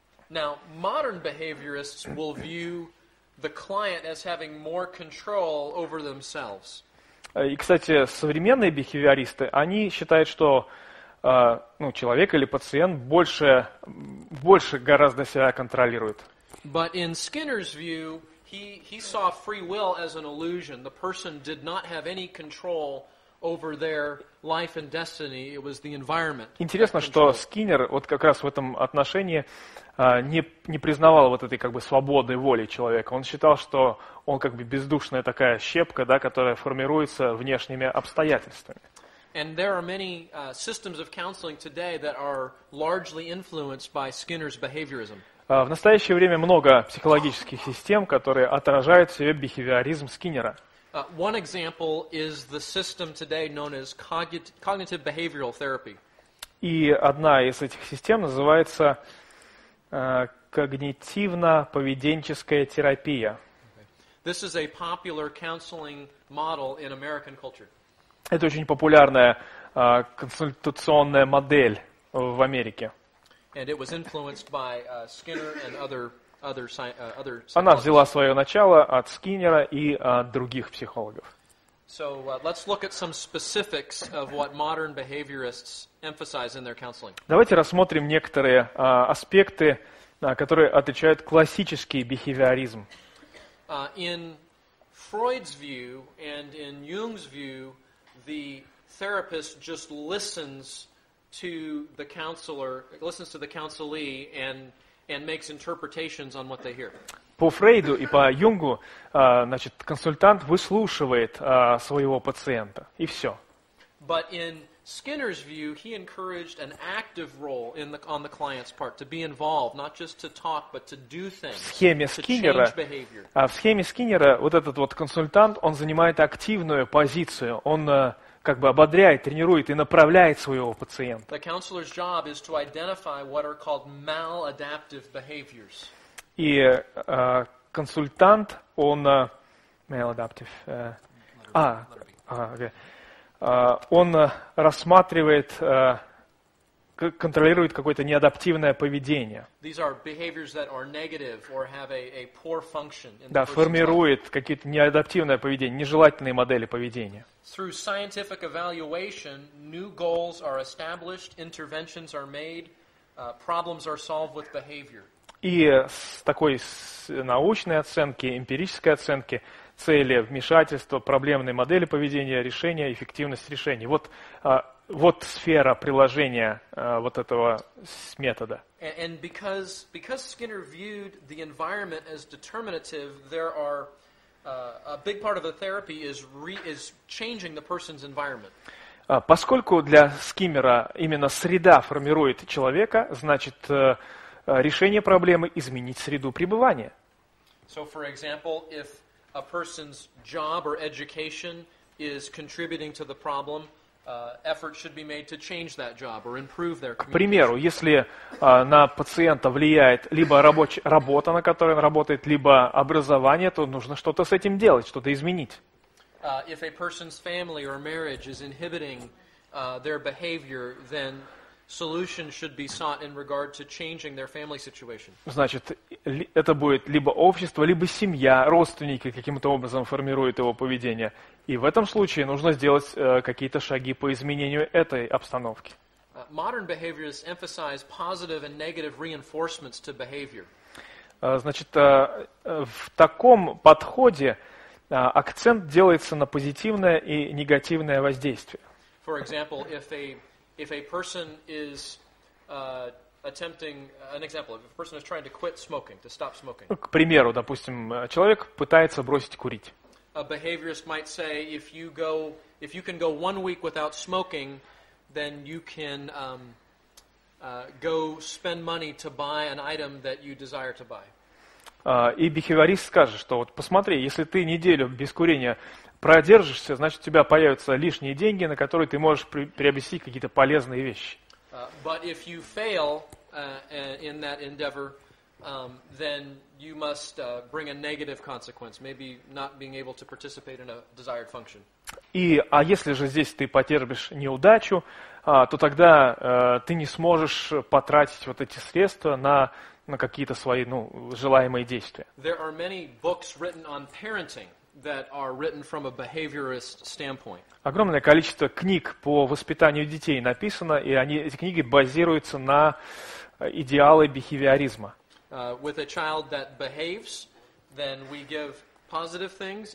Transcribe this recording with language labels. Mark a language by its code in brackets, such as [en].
[en] Now, modern behaviorists will view the client as having more control over themselves. [ru] И, кстати, современные бихевиористы, они считают, что ну, человек или пациент больше гораздо себя контролирует. [en] But in Skinner's view, He saw free will as an illusion. The person did not have any control over their life and destiny. It was the environment. [ru] Интересно, что Скиннер вот как раз в этом отношении не признавал вот этой как бы свободной воли человека. Он считал, что он как бы бездушная такая щепка, да, которая формируется внешними обстоятельствами. [en] And there are many systems of counseling today that are largely influenced by Skinner's behaviorism. [ru] В настоящее время много психологических систем, которые отражают в себе бихевиоризм Скиннера. [en] One example is the system today known as cognitive behavioral therapy. [ru] И одна из этих систем называется когнитивно-поведенческая терапия. [en] This is a popular counseling model in American culture. [ru] Это очень популярная консультационная модель в Америке. [en] And it was influenced by Skinner and other psychologists. [ru] Она взяла свое начало от Скиннера и других психологов. [en] So let's look at some specifics of what modern behaviorists emphasize in their counseling. [ru] Давайте рассмотрим некоторые аспекты, которые отличают классический бихевиоризм. [en] In Freud's view and in Jung's view, the therapist just listens to the counselee and makes interpretations on what they hear. [ru] По Фрейду и по Юнгу, значит, консультант выслушивает своего пациента и все. [en] But in Skinner's view, he encouraged an active role in the on the client's part to be involved, not just to talk, but to do things. [ru] В схеме Скиннера вот этот вот консультант, он занимает активную позицию. Он как бы ободряет, тренирует и направляет своего пациента. [en] The counselor's job is to identify what are called maladaptive behaviors. [ru] И консультант, он maladaptive. Он рассматривает контролирует какое-то неадаптивное поведение. [en] These are behaviors that are negative or have a poor function in the person's life. [ru] Формирует какие-то неадаптивное поведение, нежелательные модели поведения. [en] Through scientific evaluation, new goals are established, interventions are made, problems are solved with behavior. [ru] И с такой научной оценки, эмпирической оценки, цели, вмешательства, проблемные модели поведения, решения, эффективность решений. Вот, вот сфера приложения вот этого метода. [en] And because Skinner viewed the environment as determinative, there are a big part of the therapy is changing the person's environment. [ru] Поскольку для Скиннера именно среда формирует человека, значит, решение проблемы – изменить среду пребывания. [en] So, for example, if a person's job or education is contributing to the problem, effort should be made to change that job or improve their communication. [ru] К примеру, если на пациента влияет либо работа, на которой он работает, либо образование, то нужно что-то с этим делать, что-то изменить. [en] If a person's family or marriage is inhibiting their behavior, then solution should be sought in regard to changing their family situation. [ru] Значит, это будет либо общество, либо семья, родственники каким-то образом формируют его поведение. И в этом случае нужно сделать какие-то шаги по изменению этой обстановки. [en] Modern behaviorists emphasize positive and negative reinforcements to behavior. [ru] Значит, в таком подходе акцент делается на позитивное и негативное воздействие. [en] For example, if a person is attempting an example, if a person is trying to quit smoking, to stop smoking. [ru] К примеру, допустим, человек пытается бросить курить. [en] A behaviorist might say, if you can go 1 week without smoking, then you can go spend money to buy an item that you desire to buy. [ru] И бихевиорист скажет, что вот посмотри, если ты неделю без курения продержишься, значит, у тебя появятся лишние деньги, на которые ты можешь приобрести какие-то полезные вещи. [en] But if you fail in that endeavor, then you must bring a negative consequence, maybe not being able to participate in a desired function. [ru] И, а если же здесь ты потерпишь неудачу, то тогда ты не сможешь потратить вот эти средства на какие-то свои, ну, желаемые действия. [en] There are many books written on parenting that are written from a behaviorist standpoint. [ru] Огромное количество книг по воспитанию детей написано, и они, эти книги базируются на идеалы бихевиоризма. [en] With a child that behaves, then we give positive things.